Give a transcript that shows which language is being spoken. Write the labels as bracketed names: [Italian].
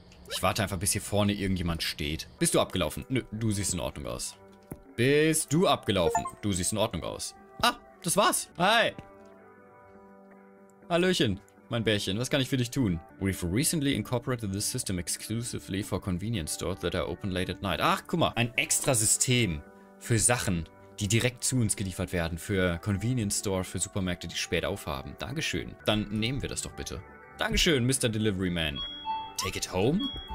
[German] Ich warte einfach, bis hier vorne irgendjemand steht. Bist du abgelaufen? Nö. Du siehst in Ordnung aus. Bist du abgelaufen? Du siehst in Ordnung aus. Ah, das war's. Hi. Hallöchen, mein Bärchen. Was kann ich für dich tun? [English] We've recently incorporated this system exclusively for convenience stores that are open late at night. [German] Ach, guck mal. Ein extra System für Sachen, die direkt zu uns geliefert werden für Convenience Store, für Supermärkte, die spät aufhaben. Dankeschön. Dann nehmen wir das doch bitte. Dankeschön, Mr. Delivery Man. [English] Take it home?